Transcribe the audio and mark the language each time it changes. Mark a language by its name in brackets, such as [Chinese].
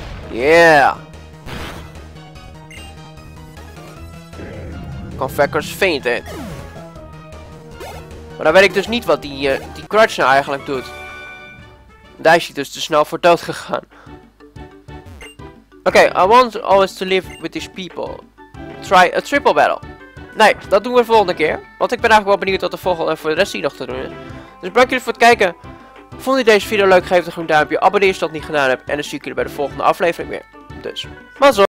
[English] Yeah. Confectors fainted. [Dutch] Maar dan weet ik dus niet wat die crutch nou eigenlijk doet. Daar is hij dus te snel voor dood gegaan. [English] Oké, okay, I want always to live with these people. Try a triple battle. [Dutch] Nee, dat doen we de volgende keer. Want ik ben eigenlijk wel benieuwd wat de volgende voor de rest hier nog te doen is. Dus bedankt jullie voor het kijken. Vond je deze video leuk? Geef het een groen duimpje. Abonneer als je dat niet gedaan hebt. En dan zie ik jullie bij de volgende aflevering weer. Dus, mazzel!